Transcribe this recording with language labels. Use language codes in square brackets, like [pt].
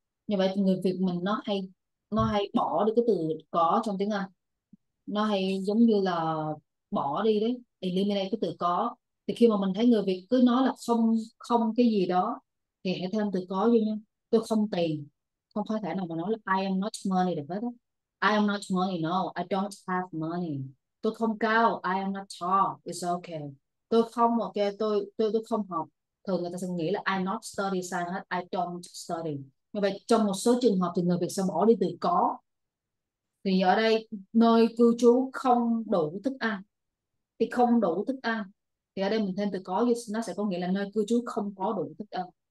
[vi] Như vậy thì người Việt mình nó hay bỏ đi cái từ có trong tiếng Anh, nó hay giống như là bỏ đi đấy, eliminate cái từ có. Thì khi mà mình thấy người Việt cứ nói là không không cái gì đó thì hãy thêm từ có vô nha. Tôi không tiền, không có thể nào mà nói là [en] I am not money [vi] được hết. [en] I am not money, no, I don't have money. [vi] Tôi không cao, [en] I am not tall, it's okay. [vi] Tôi không okay, tôi không học. Thường người ta sẽ nghĩ là [en] I not study [vi] sai hết, [en] I don't study. [vi] Như vậy trong một số trường hợp thì người Việt sẽ bỏ đi từ có. Thì ở đây nơi cư trú không đủ thức ăn, thì không đủ thức ăn thì ở đây mình thêm từ có, nó sẽ có nghĩa là nơi cư trú không có đủ thức ăn.